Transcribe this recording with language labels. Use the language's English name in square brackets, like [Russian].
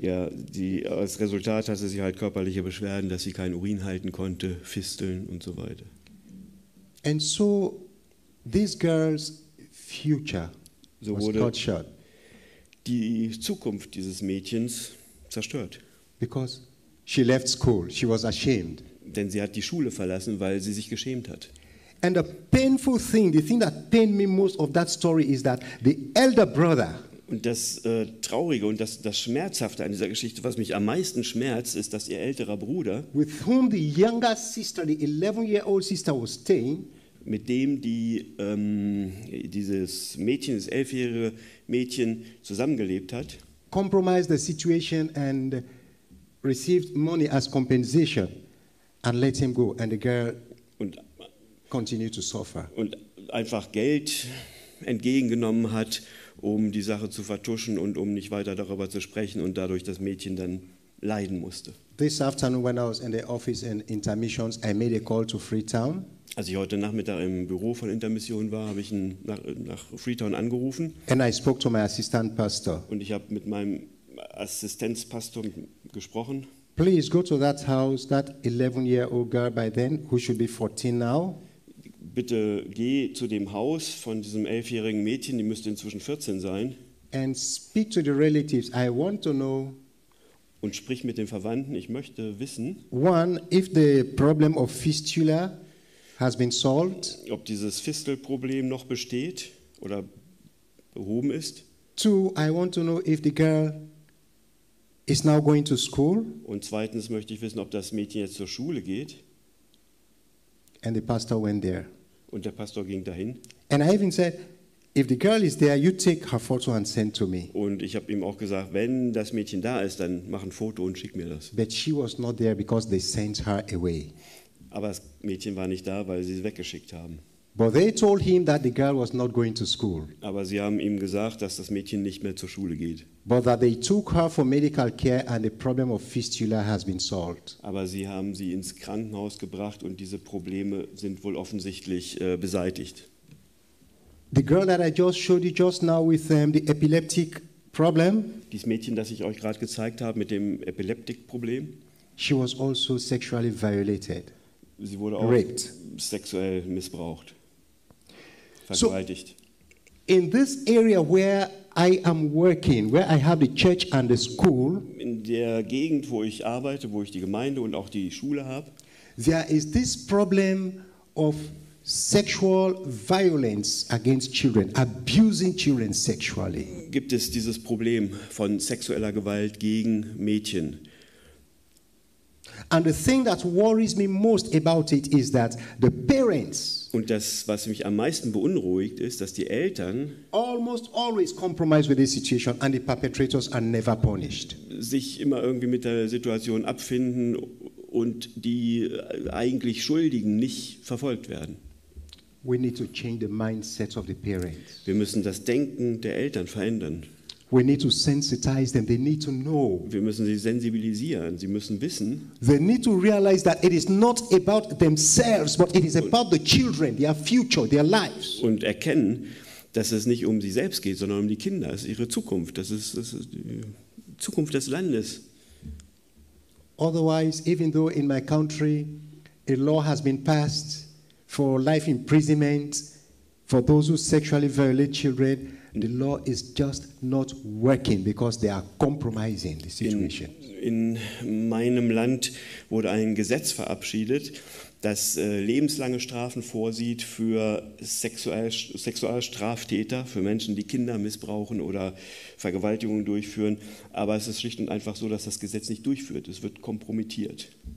[German] Ja, als Resultat hatte sie halt körperliche Beschwerden, dass sie keinen Urin halten konnte, Fisteln und so weiter. [English] And so this girl's future so was [German] wurde [English] cut short. [German] Die Zukunft dieses Mädchens zerstört. [English] Because she left school, she was ashamed. [German] Denn sie hat die Schule verlassen, weil sie sich geschämt hat. [English] And the painful thing, the thing that pained me most of that story is that the elder brother. [German] Und das Traurige und das Schmerzhafte an dieser Geschichte, was mich am meisten schmerzt, ist, dass ihr älterer Bruder, [English] with whom the younger sister, the 11-year-old sister was staying, [German] mit dem die dieses Mädchen, das 11-jährige Mädchen zusammengelebt hat, [English] compromised the situation and received money as compensation and let him go, and the girl [German] und [English] continue to suffer. [German] Und einfach Geld entgegengenommen hat, um die Sache zu vertuschen und um nicht weiter darüber zu sprechen, und dadurch das Mädchen dann leiden musste. [English] This afternoon when I was in the office in Intermissions, I made a call to Freetown. [German] Als ich heute Nachmittag im Büro von Intermission war, habe ich nach Freetown angerufen. [English] And I spoke to my assistant pastor. [German] Und ich habe mit meinem Assistenzpastor gesprochen. [English] Please go to that house, that 11-year-old girl by then, who should be 14 now. [German] Bitte geh zu dem Haus von diesem 11-jährigen Mädchen, die müsste inzwischen 14 sein. [English] And speak to the relatives. I want to know. [German] Und sprich mit den Verwandten. Ich möchte wissen. [English] One, if the problem of fistula has been solved. [German] Ob dieses Fistelproblem noch besteht oder behoben ist. [English] Two, I want to know if the girl is now going to school. [German] Und zweitens möchte ich wissen, ob das Mädchen jetzt zur Schule geht. [English] And the pastor went there. [German] Und der Pastor ging dahin. [English] And I even said, if the girl is there, you take her photo and send to me. [German] Und ich habe ihm auch gesagt, wenn das Mädchen da ist, dann mach ein Foto und schick mir das. [English] But she was not there because they sent her away. [German] Aber das Mädchen war nicht da, weil sie es weggeschickt haben. [English] But they told him that the girl was not going to school. [German] Aber sie haben ihm gesagt, dass das Mädchen nicht mehr zur Schule geht. [English] But that they took her for medical care and the problem of fistula has been solved. [German] Aber sie haben sie ins Krankenhaus gebracht und diese Probleme sind wohl offensichtlich beseitigt. [English] The girl that I just showed you just now with the epileptic problem. [German] Dieses Mädchen, das ich euch gerade gezeigt habe mit dem Epileptikproblem. [English] She was also sexually violated. [German] Sie wurde auch raped. Sexuell missbraucht. Vergewaltigt. [English] So, in this area where I am working, where I have the church and the school. [German] In der Gegend, wo ich arbeite, wo ich die Gemeinde und auch die Schule habe. [English] There is this problem of sexual violence against children, abusing children sexually. [German] Gibt es dieses Problem von sexueller Gewalt gegen Mädchen? [English] And the thing that worries me most about it is that the parents. [German] Und das, was mich am meisten beunruhigt, ist, dass die Eltern [English] almost always compromise with the situation, and the perpetrators are never punished. [German] Sich immer irgendwie mit der Situation abfinden und die eigentlich Schuldigen nicht verfolgt werden. [English] We need to change the mindset of the parents. [German] Wir müssen das Denken der Eltern verändern. [English] We need to sensitize them. They need to know. [German] Wir müssen sie sensibilisieren. Sie müssen wissen. [English] They need to realize that it is not about themselves, but it is about the children, their future, their lives. [German] Und erkennen, dass es nicht um sie selbst geht, sondern um die Kinder. Es ist ihre Zukunft. Das ist die Zukunft des Landes. [English] Otherwise, even though in my country a law has been passed for life imprisonment for those who sexually violate children, the law is just not working because they are compromising the situation. [German] In meinem Land wurde ein Gesetz verabschiedet, das lebenslange Strafen vorsieht für Sexualstraftäter, für Menschen, die Kinder missbrauchen oder Vergewaltigungen durchführen. Aber es ist schlicht und einfach so, dass das Gesetz nicht durchführt. Es wird kompromittiert.